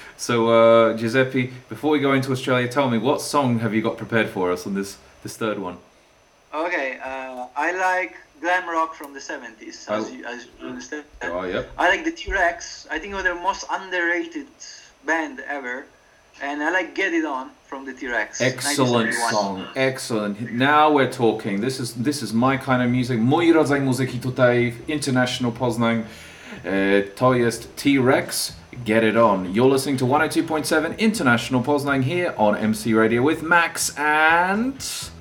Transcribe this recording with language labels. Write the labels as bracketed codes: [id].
[en] So, Giuseppe, before we go into Australia, tell me, what song have you got prepared for us on this third one? Okay, I like glam rock from the 70s, as you understand. Oh, yep. I like the T-Rex. I think they're the most underrated band ever. And I like Get It On from the T-Rex. Excellent song. Excellent. Now we're talking. This is my kind of music. [pl] Moj rodzaj muzyki tutaj w International Poznań. To jest T-Rex, Get It On. [en] You're listening to 102.7 International Poznań here on MC Radio with Max and...